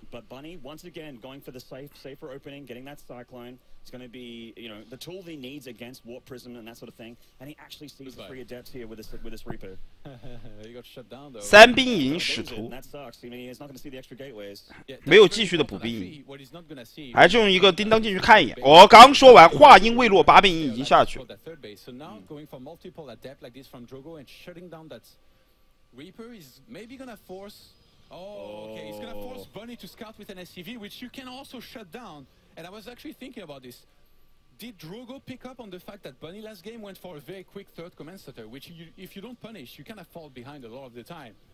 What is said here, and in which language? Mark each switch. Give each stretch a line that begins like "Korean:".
English: But Bunny once again going for the safer opening, getting that cyclone. It's going to be, you know, the tool he needs against warp prism and that sort of thing. And he actually sees the three adepts here with this reaper. He got shut down though.
Chinese: 三兵营使徒。
English: That sucks. I mean, he's not going to see the extra gateways.
Chinese: 没有继续的补兵营，还是用一个叮当进去看一眼。我刚说完，话音未落，八兵营已经下去了。
English: That third base. So now going for multiple adept like this from Drago and shutting down that reaper is maybe going to force. Oh, okay. He's gonna force Bunny to scout with an SCV, which you can also shut down. And I was actually thinking about this. Did Drago pick up on the fact that Bunny last game went for a very quick third commensator, which you, if you don't punish, you kind of fall behind a lot of the time.